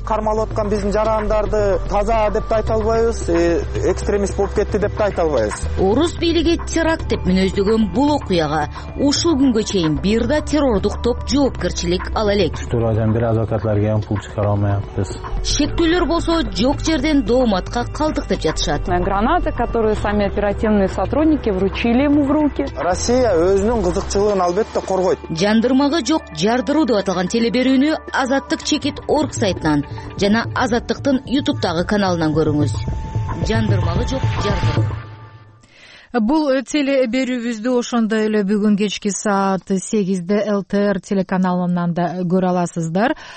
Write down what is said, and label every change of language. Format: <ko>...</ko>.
<ky>Кармалып аткан биздин жарандарды таза деп да айта албайбыз, экстремист болуп кетти деп да айта албайбыз. Орус бийлиги теракт деп мүнөздөгөн бул окуяга ушул күнгө чейин бир да террордук топ жоопкерчилик ала элек. Туурасынан бир адвокатлар келген, пул чыгара алмайбыз. Шектүүлөр болсо жок жерден дооматка калдык деп жатышат.</ky> <ru>Граната, которую сами оперативные сотрудники вручили ему в руки.</ru> <ky>Россия өзүнүн кызыкчылыгын албетте коргойт. Жандырмагы жок жардам кадыруу деп аталган телеберүүнү Азаттык чекит орг сайтынан жана Азаттыктын YouTube-дагы каналынан көрүңүз. Жандырмалы жок жардыруу. Бул телеберүүбүздү ошондой эле бүгүн кечки саат 8:00 ЛТР телеканалынан да көрө аласыздар.</ky>